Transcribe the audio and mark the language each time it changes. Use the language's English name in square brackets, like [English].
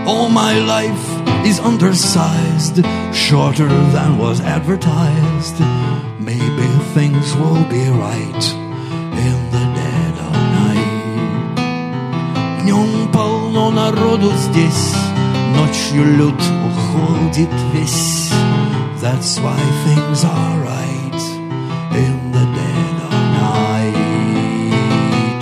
[English] All my life is undersized, shorter than was advertised. Maybe things will be right in the dead of night. [Russian] Днем полно народу здесь, ночью люд уходит весь. [English] That's why things are right in the dead of night.